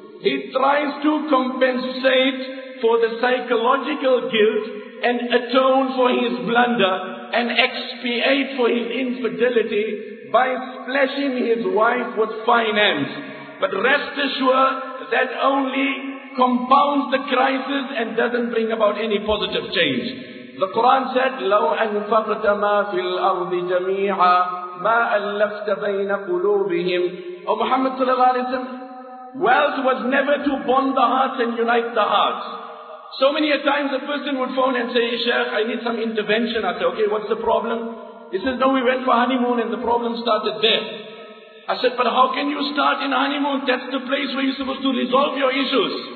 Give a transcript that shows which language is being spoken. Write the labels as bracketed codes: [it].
[en] He tries to compensate for the psychological guilt and atone for his blunder and expiate for his infidelity by splashing his wife with finance. But rest assured, that only compounds the crisis and doesn't bring about any positive change. The Quran said, [ar] لَوْ أَنْفَقْتَ مَا فِي الْأَرْضِ جَمِيعًا مَا أَلَّفْتَ بَيْنَ قُلُوبِهِمْ. [en] O Muhammad sallallahu alayhi wa sallam, wealth was never to bond the hearts and unite the hearts. So many a times a person would phone and say, Sheikh, I need some intervention. I say, okay, what's the problem? He says, no, we went for honeymoon and the problem started there. I said, but how can you start in honeymoon? That's the place where you're supposed to resolve your issues.